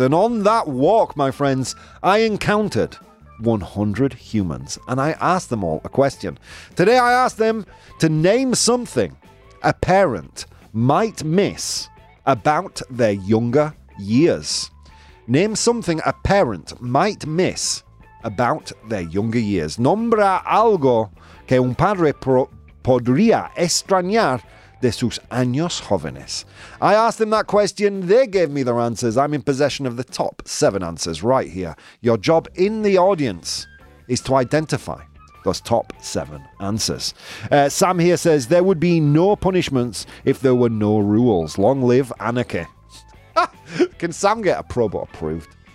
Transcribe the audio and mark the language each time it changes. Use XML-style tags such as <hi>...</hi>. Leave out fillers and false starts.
<en>And on that walk, my friends, I encountered 100 humans. And I asked them all a question. Today, I asked them to name something a parent might miss about their younger years. Name something a parent might miss about their younger years.</en> <es>Nombra algo que un padre podría extrañar de sus años jóvenes.</es> <en>I asked them that question. They gave me their answers. I'm in possession of the top 7 answers right here. Your job in the audience is to identify those top 7 answers. Sam here says, there would be no punishments if there were no rules. Long live anarchy. Can Sam get a Probo approved?</en>